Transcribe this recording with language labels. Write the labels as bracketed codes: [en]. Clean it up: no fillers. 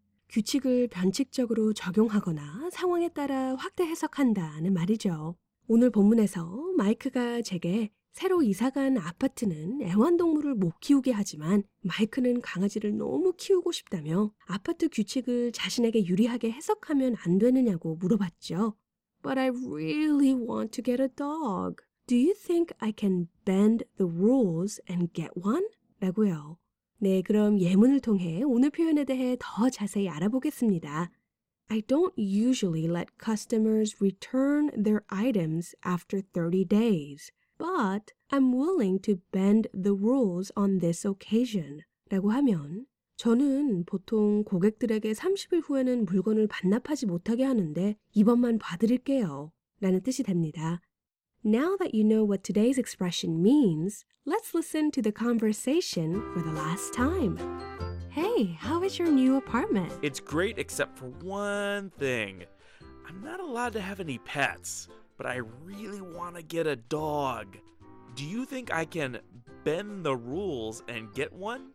[ko] 규칙을 변칙적으로 적용하거나 상황에 따라 확대 해석한다는 말이죠. 오늘 본문에서 마이크가 제게 새로 이사간 아파트는 애완동물을 못 키우게 하지만 마이크는 강아지를 너무 키우고 싶다며 아파트 규칙을 자신에게 유리하게 해석하면 안 되느냐고 물어봤죠. [en] But I really want to get a dog. Do you think I can bend the rules and get one? [ko] 라고요. 네, 그럼 예문을 통해 오늘 표현에 대해 더 자세히 알아보겠습니다. [en] I don't usually let customers return their items after 30 days. But I'm willing to bend the rules on this occasion. [ko] 라고 하면 저는 보통 고객들에게 30일 후에는 물건을 반납하지 못하게 하는데 이번만 봐드릴게요. 라는 뜻이 됩니다. [en] Now that you know what today's expression means, let's listen to the conversation for the last time. Hey, how is your new apartment? It's great except for one thing. I'm not allowed to have any pets. But I really want to get a dog. Do you think I can bend the rules and get one?